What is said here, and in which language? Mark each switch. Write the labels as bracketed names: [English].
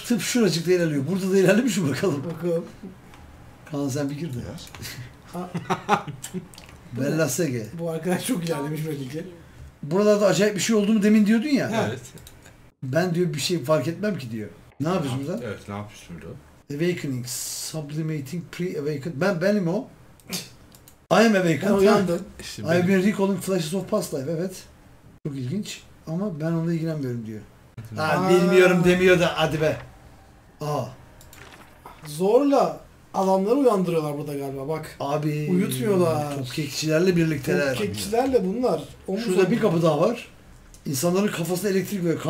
[Turkish] Tıp şuracıkta ilerliyor. Burada da ilerlemiş mi bakalım? Bakalım. Kaan sen bir gir de ya. Bella Sege. Bu arkadaş çok ilerlemiş belki. Buralarda acayip bir şey oldu mu demin diyordun ya. Evet. Ben diyor bir şey fark etmem ki diyor. Ne yapıyorsun lan? Evet ne yapıyorsun burada? [English] Awakening, sublimating, pre-awakened. [Turkish] Benim o. [English] I am awakened. [Turkish] Uyandın. [English] I have been recalling flashes of past life. [Turkish] Evet. Çok ilginç. Ama ben onunla ilgilenmiyorum diyor. Ha, bilmiyorum demiyor da hadi be. Aa. Zorla adamları uyandırıyorlar burada galiba bak. Abi. Uyutmuyorlar. Topkekçilerle birlikteler. Topkekçilerle bunlar. Omuz şurada omuz. Bir kapı daha var. İnsanların kafasına elektrik veriyor.